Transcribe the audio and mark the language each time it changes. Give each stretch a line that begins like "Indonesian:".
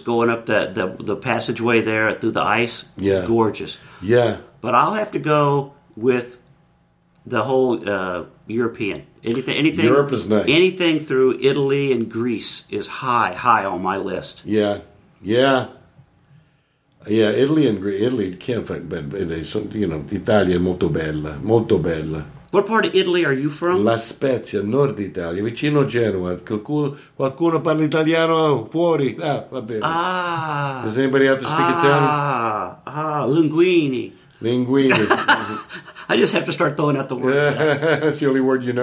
English: Going up the passageway there through the ice, gorgeous. Yeah. But I'll have to go with the whole European. Anything. Europe is nice. Anything through Italy and Greece is high on my list. Yeah. Yeah. Yeah, Italy can't fight, but you know,
Italian: Italia è molto bella, molto bella.
English: What part of Italy are you from?
Italian: La Spezia, nord Italia, vicino Genoa. Qualcuno parla italiano fuori? Ah, va bene. Ah.
English: Does anybody have to speak Italian? Ah, linguini. Linguini. I just have to start throwing out the words. That's the only word you know.